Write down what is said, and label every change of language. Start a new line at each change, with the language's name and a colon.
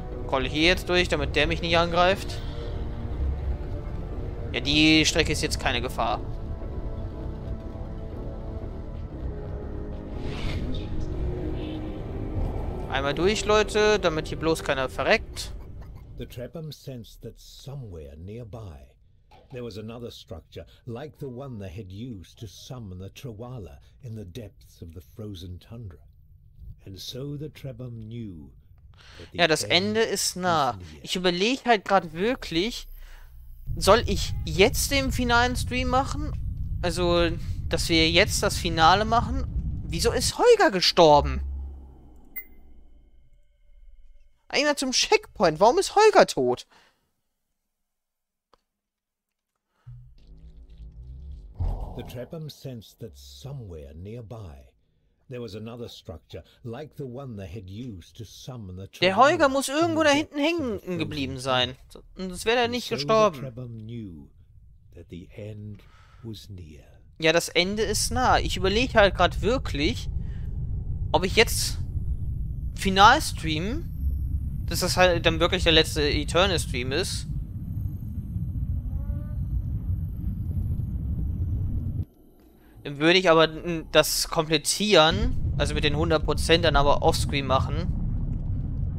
German: Roll hier jetzt durch, damit der mich nicht angreift. Ja, die Strecke ist jetzt keine Gefahr. Einmal durch, Leute, damit hier bloß keiner verreckt.
English: The Trepham sensed that somewhere nearby there was another structure like the one they had used to summon the Trawala in the depths of the frozen tundra. And so the Trepham knew.
German: Ja, das Ende ist nah. Ich überlege halt gerade wirklich, soll ich jetzt den finalen Stream machen? Also, dass wir jetzt das Finale machen? Wieso ist Holger gestorben? Einer zum Checkpoint. Warum ist Holger tot?
English: The Trepham sensed that somewhere nearby there was another structure like the one they had used to summon the.
German: Der Holger muss irgendwo da hinten hängen geblieben sein. Sonst wäre er nicht gestorben.
English: The Trepham knew that the end was near.
German: Ja, das Ende ist nah. Ich überlege halt gerade wirklich, ob ich jetzt final streamen. Dass das halt dann wirklich der letzte Eternal-Stream ist. Dann würde ich aber das komplettieren, also mit den 100% dann aber offscreen machen.